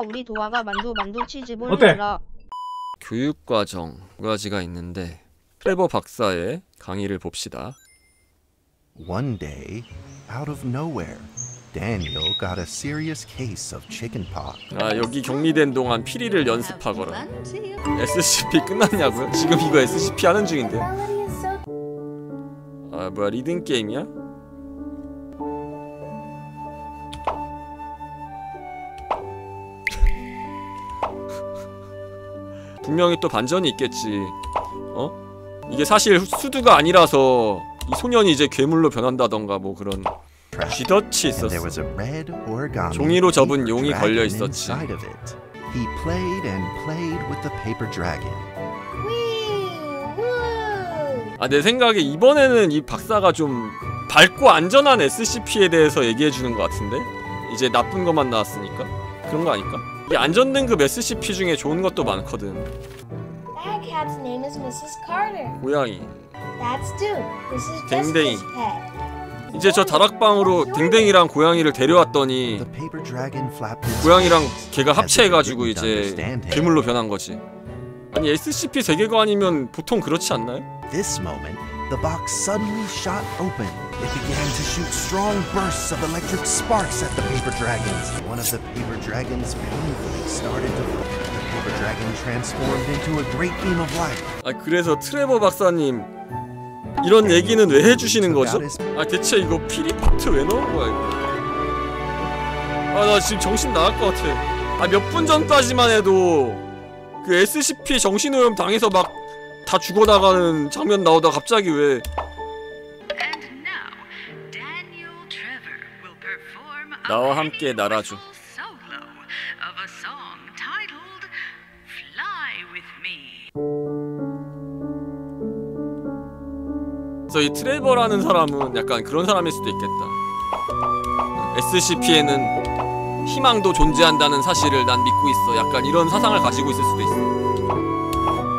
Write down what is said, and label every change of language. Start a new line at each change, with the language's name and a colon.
Korean: 우리 도화가 만두 만두 치즈볼. 어때? 교육 과정 두 가지가 있는데 트레버 박사의 강의를 봅시다.
English: One day, out of nowhere, Daniel got a serious case of chickenpox.
Korean: 아, 여기 격리된 동안 피리를 연습하거라. SCP 끝났냐고요? 지금 이거 SCP 하는 중인데. 아, 뭐야, 리듬 게임이야? 분명히 또 반전이 있겠지. 어? 이게 사실 수두가 아니라서 이 소년이 이제 괴물로 변한다던가 뭐 그런 쥐덫이 있었어. 종이로 접은 용이 걸려 있었지.
English: He played and played with the paper dragon.
Korean: 아, 내 생각에 이번에는 이 박사가 좀 밝고 안전한 SCP에 대해서 얘기해 주는 것 같은데? 이제 나쁜 것만 나왔으니까? 그런 거 아닐까? 이 안전 등급 SCP 중에 좋은 것도 많거든.
English: That cat's name is Mrs. Carter.
Korean: 고양이.
English: That's Duke. This is Dengdeng.
Korean: 이제 저 다락방으로 댕댕이랑 고양이를 데려왔더니 고양이랑 걔가 합체해가지고 이제 괴물로 변한 거지. 아니 SCP 세계관이면 보통 그렇지 않나요?
English: This moment, the box suddenly shot open. It began to shoot strong bursts of electric sparks at the paper dragons. One of the paper dragons painfully started to. The paper dragon transformed into a great beam of light.
Korean: 아 그래서 트레버 박사님 이런 얘기는 왜 해주시는 거죠? 아 대체 이거 피리 파트 왜 넣은 거야 이거? 아 나 지금 정신 나갈 것 같아. 아 몇 분 전까지만 해도. 그 SCP 정신오염 당해서 막 다 죽어나가는 장면 나오다 갑자기 왜
English: And now, Daniel Trevor will perform a
Korean: 나와 함께 날아줘
English: solo of a song titled Fly with me.
Korean: 그래서 이 트레버라는 사람은 약간 그런 사람일 수도 있겠다. SCP에는 희망도 존재한다는 사실을 난 믿고 있어. 약간 이런 사상을 가지고 있을 수도 있어.